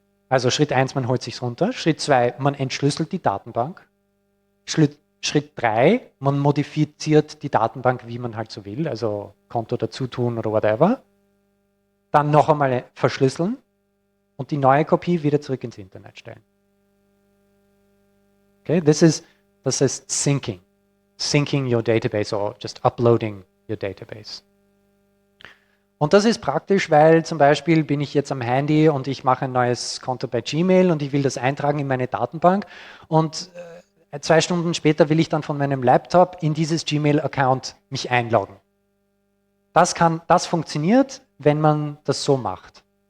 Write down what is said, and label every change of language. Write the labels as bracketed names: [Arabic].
[German] Also Schritt 1, man holt sich's runter. Schritt 2, man entschlüsselt die Datenbank. Schritt 3, man modifiziert die Datenbank, wie man halt so will, also Konto dazu tun oder whatever. Dann noch einmal verschlüsseln und die neue Kopie wieder zurück ins Internet stellen. Okay, das ist syncing. [English] Syncing your database or just uploading your database. [German] Und das ist praktisch, weil zum Beispiel bin ich jetzt am Handy und ich mache ein neues Konto bei Gmail und ich will das eintragen in meine Datenbank und 2 Stunden später will ich dann von meinem Laptop in dieses Gmail-Account mich einloggen. Das funktioniert, wenn man das so macht.